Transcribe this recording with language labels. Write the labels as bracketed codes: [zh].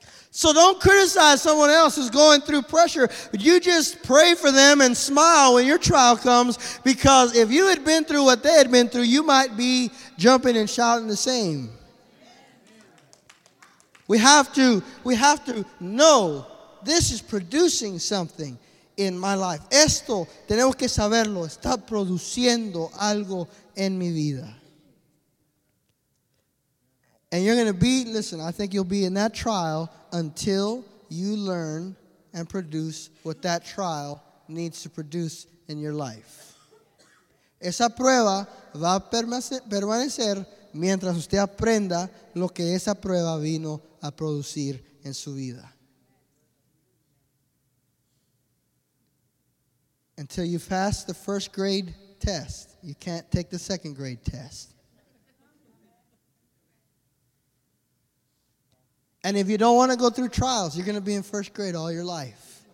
[en] So don't criticize someone else who's going through pressure. But you just pray for them and smile when your trial comes, because if you had been through what they had been through, you might be jumping and shouting the same. We have to know this is producing something in my life. [es] Esto, tenemos que saberlo, está produciendo algo en mi vida. [en] And you're going to be, listen, I think you'll be in that trial until you learn and produce what that trial needs to produce in your life. [es] Esa prueba va a permanecer mientras usted aprenda lo que esa prueba vino a producir en su vida. [en] Until you pass the first grade test, you can't take the second grade test. And if you don't want to go through trials, you're going to be in first grade all your life.